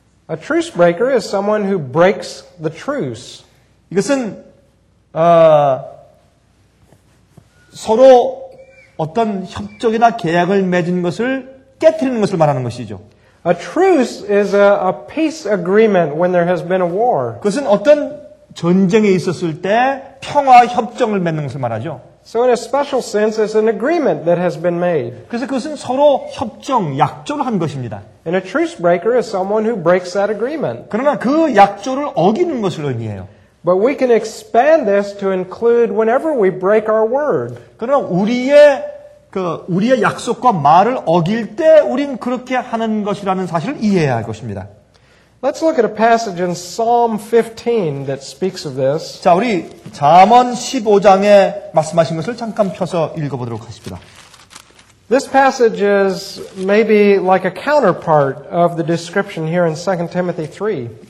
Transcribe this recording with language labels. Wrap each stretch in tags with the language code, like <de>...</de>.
<en>A truce breaker is someone who breaks the truce.</en> <ko>이것은 서로 어떤 협정이나 계약을 맺은 것을 깨뜨리는 것을 말하는 것이죠.</ko> <en>A truce is a peace agreement when there has been a war.</en> <ko>그것은 어떤 전쟁에 있었을 때 평화 협정을 맺는 것을 말하죠.</ko> <en>So in a special sense, it's an agreement that has been made.</en> <ko>그래서 그것은 서로 협정, 약조를 한 것입니다.</ko> <en>And a truce breaker is someone who breaks that agreement.</en> <ko>그러나 그 약조를 어기는 것을 의미해요.</ko> <en>But we can expand this to include whenever we break our word.</en> <ko>그러나 우리의 약속과 말을 어길 때 우린 그렇게 하는 것이라는 사실을 이해해야 할 것입니다.</ko> <en>Let's look at a passage in Psalm 15 that speaks of this.</en> <ko>자, 우리 잠언 15장에 말씀하신 것을 잠깐 펴서 읽어보도록 하십니다.</ko> <en>This passage is maybe like a counterpart of the description here in 2 Timothy 3.</en>